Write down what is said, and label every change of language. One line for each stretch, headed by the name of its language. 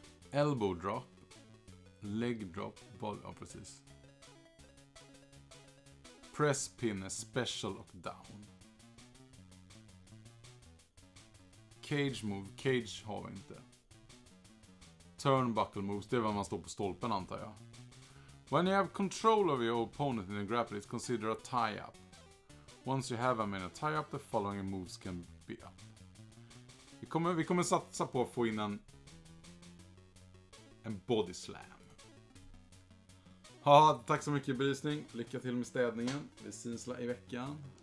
English: Elbow drop. Leg drop. Body.
Swedish: Ja, precis. Press pin är special och down. Cage move. Cage har vi inte. Turnbuckle moves, det är när man står på stolpen antar jag.
English: When you have control of your opponent in a grapple, it's considered a tie-up. Once you have him in a tie-up, the following moves can be up.
Swedish: Vi kommer satsa på att få in en body slam. Ha, tack så mycket belysning. Lycka till med städningen. Vi syns i veckan.